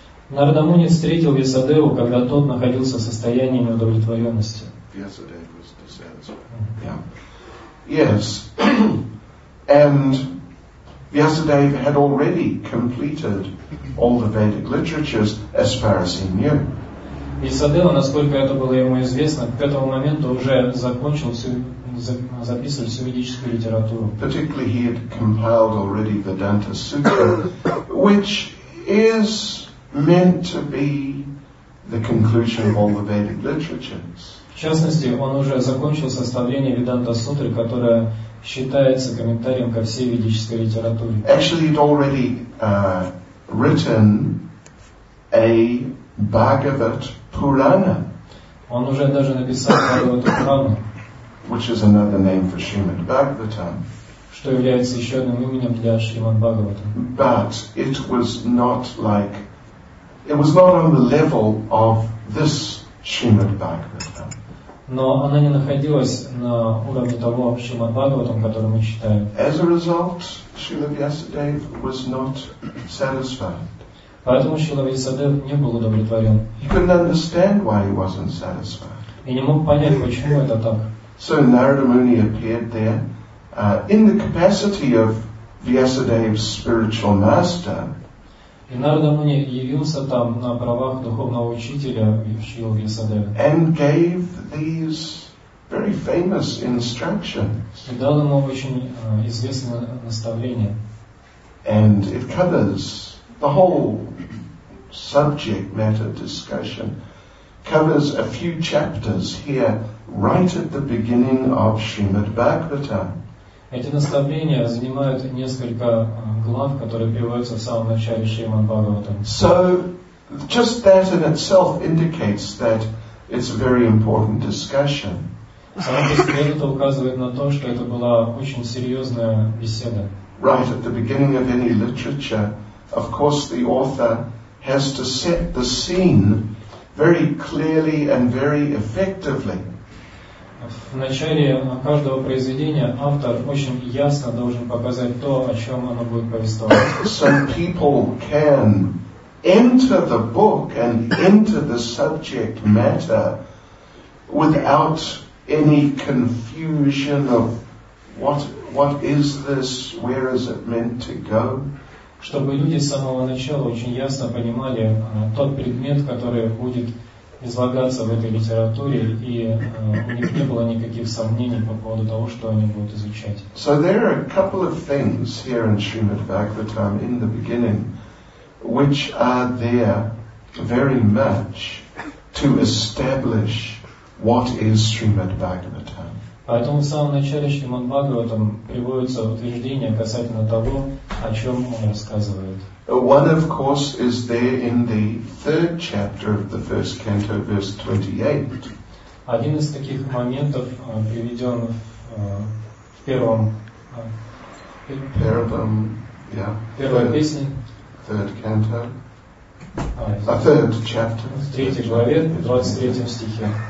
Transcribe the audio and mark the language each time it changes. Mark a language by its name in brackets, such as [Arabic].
[Russian] Narada Muni встретил Vyasadeva, когда тот находился в состоянии неудовлетворенности. [English] Vyasadeva was dissatisfied. Yeah. Yes. And Vyasadeva had already completed all the Vedic literatures as far as he knew. [Russian] Vyasadeva, насколько это было ему известно, к этому моменту уже закончил всю записывали всю ведическую литературу. [English] Particularly he had compiled already Vedanta Sutra, which is meant to be the conclusion of all the Vedic literatures. [Russian] В частности, он уже закончил составление Веданта Сутры, которая считается комментарием ко всей ведической литературе. [English] Actually, he'd already written a Bhagavat Purana. [Russian] Он уже даже написал Bhagavat Purana. [English] Which is another name for Srimad Bhagavatam. [Russian] Что является еще одним именем для Шримад Бхагаватам. [English] But it was not like, it was not on the level of this Srimad Bhagavatam. [Russian] Но она не находилась на уровне того Шримад Бхагаватам, который мы читаем. [English] As a result, Srila Vyasadeva was not satisfied. [Russian] Поэтому Srila Vyasadeva не был удовлетворен. [English] He couldn't understand why he wasn't satisfied. [Russian] И не мог понять, почему это так. [English] So Narada Muni appeared there in the capacity of Vyasadeva's spiritual master. [Russian] И Нарада Муни явился там на правах духовного учителя Шрилы Вьясадевы. [English] And gave these very famous instructions. [Russian] И дал ему очень известное наставление. [English] And it covers the whole subject matter discussion. Covers a few chapters here. Right at the beginning of Srimad Bhagavatam. [Russian] Эти наставления занимают несколько глав, которые приводятся в самом начале Шримад Бхагаватам. [English] So, just that in itself indicates that it's a very important discussion. [Russian] Это указывает на то, что это была очень серьезная беседа. [English] Right at the beginning of any literature, of course, the author has to set the scene very clearly and very effectively. [Russian] В начале каждого произведения автор очень ясно должен показать то, о чем оно будет повествовать. [English] Some people can enter the book and enter the subject matter without any confusion of what is this, where is it meant to go. [Russian] Чтобы люди с самого начала очень ясно понимали тот предмет, который будет излагаться в этой литературе, и у них не было никаких сомнений по поводу того, что они будут изучать. [English] So there are a couple of things here in Srimad Bhagavatam in the beginning, which are there very much to establish what is Srimad Bhagavatam. [Russian] Поэтому в самом начале Шримад Бхагаватам приводится утверждение касательно того, о чем он рассказывает. [English] One, of course, is there in the third chapter of the first canto, verse 28. [Russian] Один из таких моментов приведен в первом... [English] Parabam, yeah. [Russian] Первой песне. [English] Third canto. A third chapter. [Russian] В третьей главе, в 23 стихе.